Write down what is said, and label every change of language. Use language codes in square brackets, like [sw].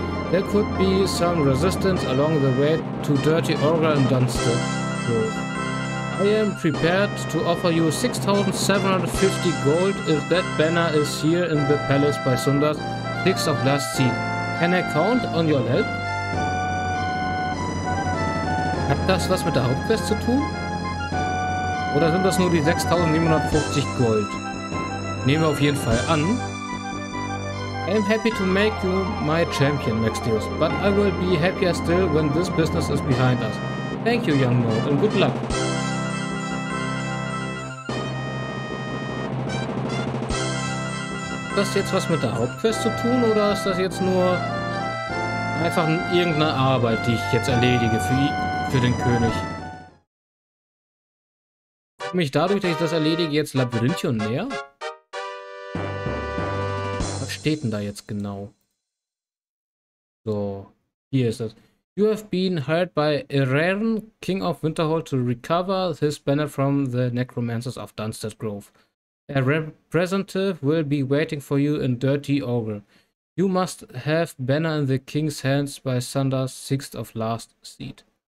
[en] There could be some resistance along the way to Dirty Orga in Dunstead Grove. I am prepared to offer you 6750 gold if that banner is here in the palace by Sundas, 6th of last seed. Can I count on your help? [de] Hat das was mit der Hauptquest zu tun? Oder sind das nur die 6750 Gold? Nehmen wir auf jeden Fall an. [en] I am happy to make you my champion, Maxeus, but I will be happier still when this business is behind us. Thank you, young lord, and good luck. [de] Hat das jetzt was mit der Hauptquest zu tun oder ist das jetzt nur einfach irgendeine Arbeit, die ich jetzt erledige für den König? Komme ich dadurch, dass ich das erledige, jetzt Labyrinthion näher? Was steht denn da jetzt genau? So, hier ist es. [en] You have been hired by Eren, King of Winterhold, to recover his banner from the necromancers of Dunstead Grove. A representative will be waiting for you in Dirty Ogre. You must have banner in the king's hands by Sunder's 6th of last seed.